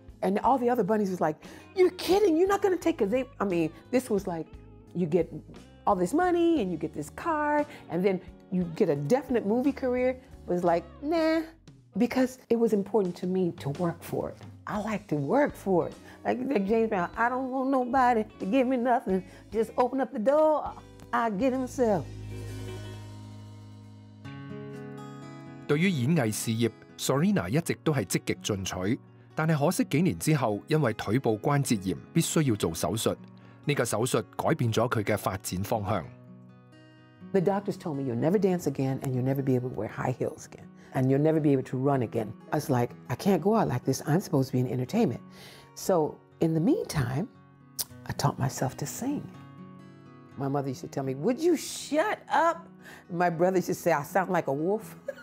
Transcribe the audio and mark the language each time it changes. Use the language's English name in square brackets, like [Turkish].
[English] And all the other bunnies was like, you're kidding. You're not going to take because they, I mean, this was like, you get all this money and you get this car and then you get a definite movie career. It was like, nah, because it was important to me to work for it. I like to work for it. Like James Brown, I don't want nobody to give me nothing. Just open up the door, I get himself. [Chinese] 对于演艺事业 ，Sorina 一直都是积极进取，但是可惜几年之后，因为腿部关节炎，必须要做手术。这个手术改变了她的发展方向。 [English] The doctors told me you'll never dance again and you'll never be able to wear high heels again and you'll never be able to run again. I was like, I can't go out like this. I'm supposed to be in entertainment. So in the meantime, I taught myself to sing. My mother used to tell me, would you shut up? My brother used to say, I sound like a wolf.